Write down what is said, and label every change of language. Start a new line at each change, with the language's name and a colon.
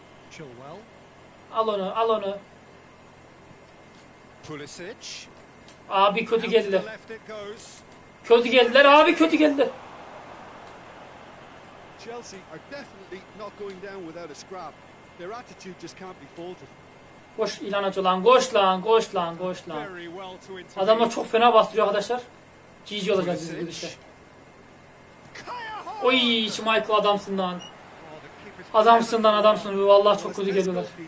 Turkish: Chilwell. Al onu, al onu. Pulisic. Abi kötü geldiler. Kötü geldiler abi, kötü geldiler.
English: Chelsea are definitely not going down without a scrap. Their attitude just can't be faulted.
Turkish: Koş İlhanaço lan, koş lan, koş lan, koş lan. Adamlar çok fena bastırıyor arkadaşlar. GG olacağız biz bu işe. Oy, hiç Michael adamsın lan. Adamsın lan, adamsın. Vallahi çok kötü geliyorlar.